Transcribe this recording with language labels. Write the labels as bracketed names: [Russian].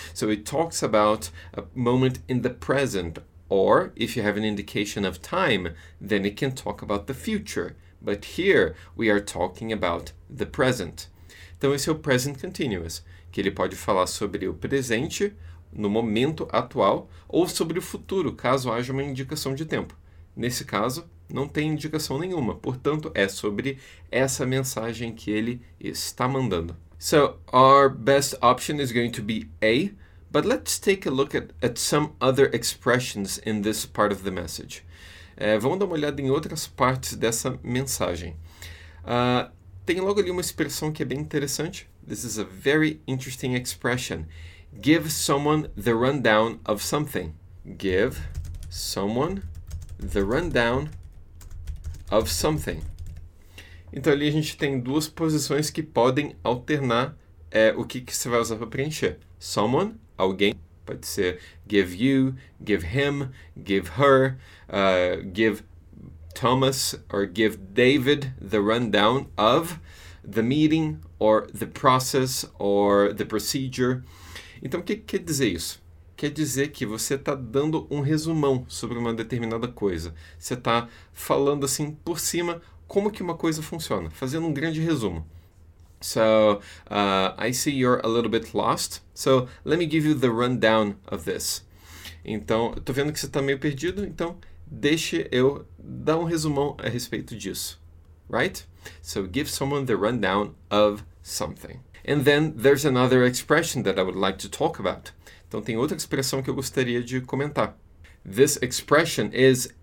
[English] So, it talks about a moment in the present. Or, if you have an indication of time, then it can talk about the future. But here, we are talking about the present. [Portuguese] Então, esse é o present continuous, que ele pode falar sobre o presente, no momento atual, ou sobre o futuro, caso haja uma indicação de tempo. Nesse caso, não tem indicação nenhuma. Portanto, é sobre essa mensagem que ele está mandando. [English] So, our best option is going to be A, but let's take a look at some other expressions in this part of the message. [Portuguese] Vamos dar uma olhada em outras partes dessa mensagem. Tem logo ali uma expressão que é bem interessante. [English] This is a very interesting expression. Give someone the rundown of something. Give someone the rundown of something. [Portuguese] Então ali a gente tem duas posições que podem alternar o que você vai usar para preencher. [English] Someone, [Portuguese] alguém. Pode ser [English] give you, give him, give her, give Thomas or give David the rundown of the meeting or the process or the procedure. [Portuguese] Então, o que quer dizer isso? Quer dizer que você está dando um resumão sobre uma determinada coisa. Você está falando assim por cima como que uma coisa funciona, fazendo um grande resumo. [English] So, I see you're a little bit lost, so let me give you the rundown of this. [Portuguese] Então, tô vendo que você tá meio perdido, então deixe eu dar um resumão a respeito disso, right? [English] So, give someone the rundown of something. And then, there's another expression that I would like to talk about. [Portuguese] Então, tem outra expressão que eu gostaria de comentar. [English] This expression is